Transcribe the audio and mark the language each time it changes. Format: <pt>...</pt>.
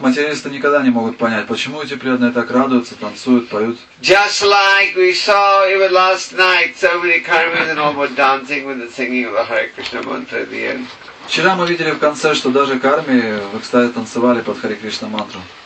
<ru>Материалисты никогда не могут понять, почему эти преданные так радуются, танцуют, поют.</ru> <en>Just like we saw even last night, so many karmis and all were dancing with the singing of the Hare Krishna mantra at the end.</en> <ru>Вчера мы видели в конце, что даже карми в экстазе танцевали под Харе Кришна мантру.</ru>